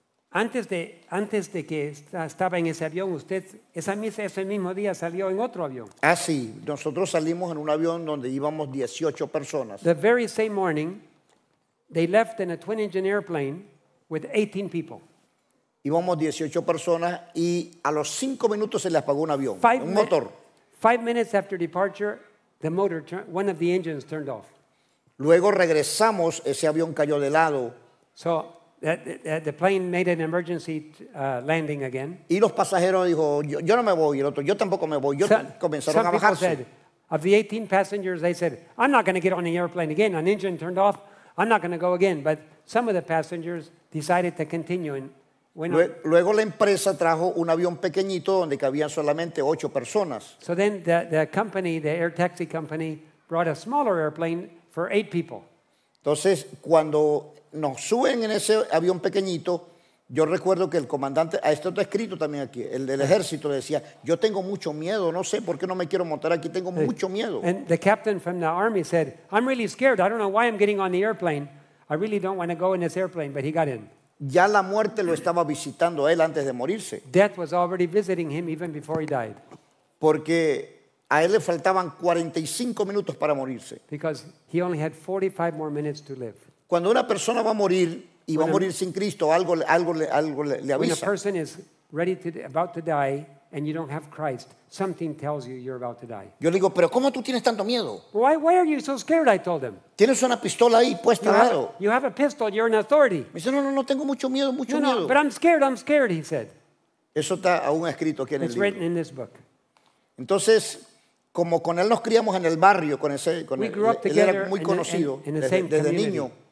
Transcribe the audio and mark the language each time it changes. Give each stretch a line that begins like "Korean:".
Spanish: Antes de que estaba en ese avión, usted ese mismo día salió en otro avión. Ah, sí. Nosotros salimos en un avión donde íbamos 18 personas.
English: The very same morning, they left in a twin-engine airplane with 18 people.
Spanish: Íbamos 18 personas y a los 5 minutos se le apagó un avión,
English: five
Spanish: un motor.
English: 5 minutes after departure, the motor one of the engines turned off.
Spanish: Luego regresamos, ese avión cayó de lado.
English: So the plane made an emergency landing again.
Spanish: Y los pasajeros dijo, yo no me voy, el otro, yo tampoco me voy. Comenzaron
English: some
Spanish: a bajarse.
English: Said, of the 18 passengers, they said, I'm not going to get on the airplane again. An engine turned off. I'm not going to go again. But some of the passengers decided to continue. And
Spanish: luego la empresa trajo un avión pequeñito donde cabían solamente 8 personas.
English: So then the company, the air taxi company, brought a smaller airplane for 8 people.
Spanish: Entonces, cuando nos suben en ese avión pequeñito, yo recuerdo que el comandante, esto está escrito también aquí, el del ejército decía, yo tengo mucho miedo, no sé por qué no me quiero montar aquí, tengo mucho miedo.
English: And the captain from the army said, I'm really scared, I don't know why I'm getting on the airplane, I really don't want to go in this airplane, but he got in.
Spanish: Ya la muerte lo estaba visitando a él antes de morirse.
English: Death was already visiting him even before he died.
Spanish: Porque a él le faltaban 45 minutos para morirse.
English: Because he only had 45 more minutes to live.
Spanish: Cuando una persona va a morir y va a morir sin Cristo, algo le avisa.
English: When a person is ready to about to die and you don't have Christ, something tells you you're about to die.
Spanish: Yo le digo, pero ¿cómo tú tienes tanto miedo?
English: Why are you so scared? I told him.
Spanish: Tienes una pistola ahí puesta al lado.
English: You have a pistol. You're an authority.
Spanish: Me dice, no, tengo mucho miedo.
English: No, but I'm scared. He said.
Spanish: Eso está aún escrito aquí en el libro.
English: It's written in this book.
Spanish: Entonces, como con él nos criamos en el barrio, él era muy conocido desde niño.